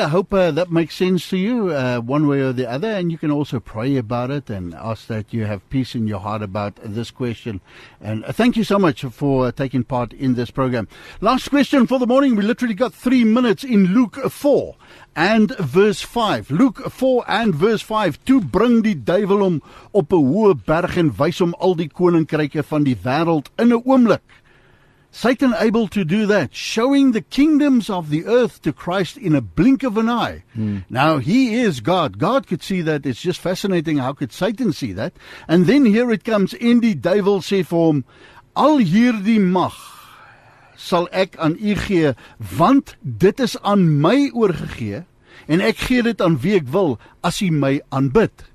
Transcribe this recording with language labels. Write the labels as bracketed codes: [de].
[en] I hope that makes sense to you one way or the other. And you can also pray about it and ask that you have peace in your heart about this question. And thank you so much for taking part in this program. Last question for the morning. We literally got 3 minutes in Luke 4 and verse 5. Luke 4 and verse 5. [af] Toe bring die duivel hom op 'n hoë berg en wys hom al die koninkryke van die wêreld in 'n oomblik. [en] Satan able to do that, showing the kingdoms of the earth to Christ in a blink of an eye. Mm. Now, he is God. God could see that. It's just fascinating. How could Satan see that? And then here it comes, [af] en die duivel sê vir hom, al hierdie mag sal ek aan u gee, want dit is aan my oorgegee, en ek gee dit aan wie ek wil, as u my aanbid.